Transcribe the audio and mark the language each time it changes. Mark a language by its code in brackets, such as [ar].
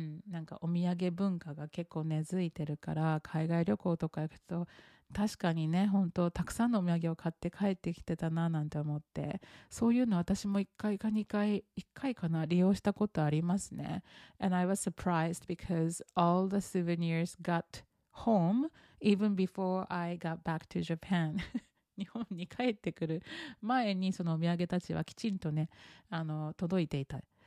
[ja] なんかお土産文化が結構根付いてるから、海外旅行とか行くと、確かにね、本当たくさんのお土産を買って帰ってきてたななんて思って、そういうの私も1回かな利用したことありますね。 [en] And I was surprised because all the souvenirs got home even before I got back to Japan. [ja] 日本に帰ってくる前にそのお土産たちはきちんとね、あの届いていた。